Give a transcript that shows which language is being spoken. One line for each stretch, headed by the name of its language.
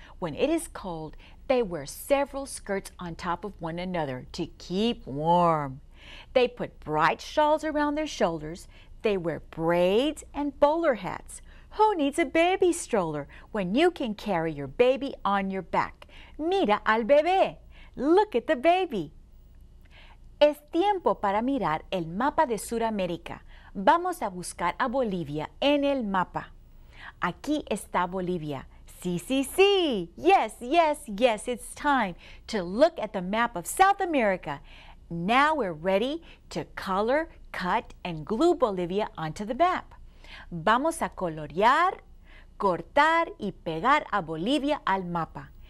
English: When it is cold, they wear several skirts on top of one another to keep warm. They put bright shawls around their shoulders. They wear braids and bowler hats. Who needs a baby stroller when you can carry your baby on your back?
Spanish: Mira al bebé.
English: Look at the baby.
Spanish: Es tiempo para mirar el mapa de Sudamérica. Vamos a buscar a Bolivia en el mapa. Aquí está Bolivia. Sí, sí, sí.
English: Yes, yes, yes, it's time to look at the map of South America. Now we're ready to color, cut, and glue Bolivia onto the map.
Spanish: Vamos a colorear, cortar, y pegar a Bolivia al mapa.